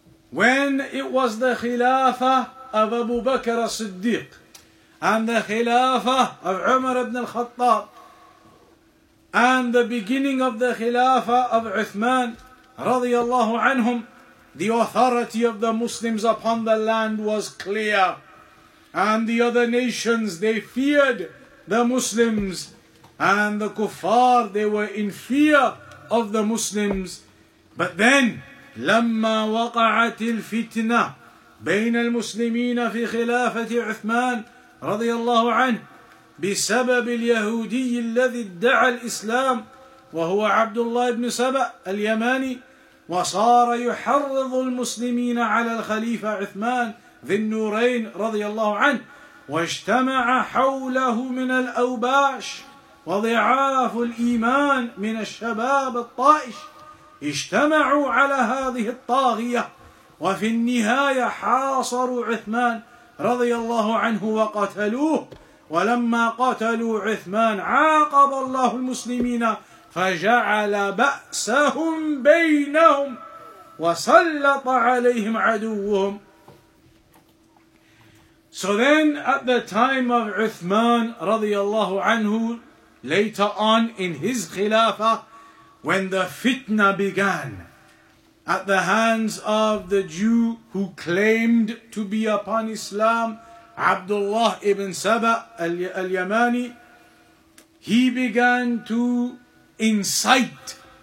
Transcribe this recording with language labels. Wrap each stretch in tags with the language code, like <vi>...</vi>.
<en>When it was the Khilafah of Abu Bakr as-Siddiq and the Khilafah of Umar ibn al-Khattab and the beginning of the Khilafah of Uthman radiyallahu anhum, the authority of the Muslims upon the land was clear, and the other nations, they feared the Muslims, and the kuffar, they were in fear of the Muslims. But then</en> <ar>لما وقعت الفتنة بين المسلمين في خلافة عثمان رضي الله عنه بسبب اليهودي الذي ادعى الإسلام وهو عبد الله بن سبأ اليماني وصار يحرض المسلمين على الخليفة عثمان ذي النورين رضي الله عنه واجتمع حوله من الأوباش وضعاف الإيمان من الشباب الطائش اجتمعوا على هذه الطاغية وفي النهاية حاصروا عثمان رضي الله عنه وقتلوه ولما قتلوا عثمان عاقب الله المسلمين فجعل بأسهم بينهم وسلط عليهم عدوهم.</ar> <en>So then at the time of</en> <ar>عثمان رضي الله عنه,</ar> <en>later on in his Khilafah, when the fitna began at the hands of the Jew who claimed to be upon Islam, Abdullah ibn Sabah al-Yamani, he began to incite</en>